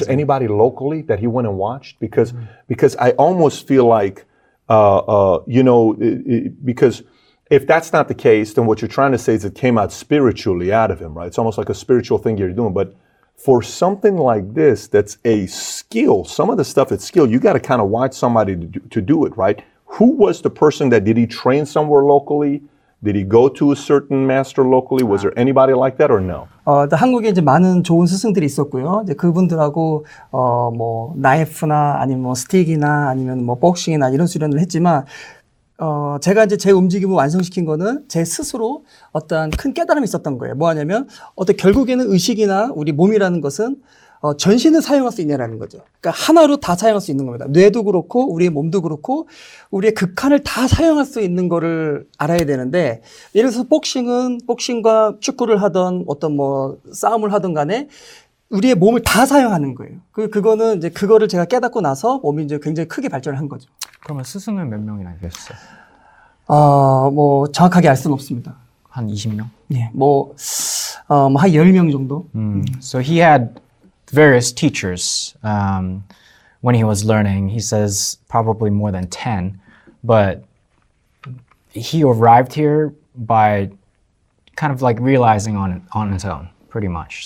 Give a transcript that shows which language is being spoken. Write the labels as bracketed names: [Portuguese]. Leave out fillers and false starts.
[English] Is there anybody locally that he went and watched? Because I almost feel like, because if that's not the case, then what you're trying to say is it came out spiritually out of him, right? It's almost like a spiritual thing you're doing. But for something like this, that's a skill, some of the stuff that's skill, you got to kind of watch somebody to do it, right? Who was the person that, did he train somewhere locally? Did he go to a certain master locally? Was there anybody like that or no? [Korean] 한국에 이제 많은 좋은 스승들이 있었고요. 이제 그분들하고 뭐 나이프나 아니면 뭐 스틱이나 아니면 뭐 복싱이나 이런 수련을 했지만 제가 이제 제 움직임을 완성시킨 거는 제 스스로 어떤 큰 깨달음이 있었던 거예요. 뭐하냐면 어떤 결국에는 의식이나 우리 몸이라는 것은 전신을 사용할 수 있냐라는 거죠. 그러니까 하나로 다 사용할 수 있는 겁니다. 뇌도 그렇고 우리의 몸도 그렇고 우리의 극한을 다 사용할 수 있는 거를 알아야 되는데 예를 들어서 복싱은 복싱과 축구를 하던 어떤 뭐 싸움을 하던 간에 우리의 몸을 다 사용하는 거예요. 그거는 이제 그거를 제가 깨닫고 나서 몸이 이제 굉장히 크게 발전을 한 거죠. 그러면 스승은 몇 명이나 되셨어요? 뭐 정확하게 알 수는 없습니다. 한 20명? 예. 뭐 한 10명 정도. [English] So he had various teachers when he was learning. He says probably more than 10, but he arrived here by kind of like realizing on his own, pretty much.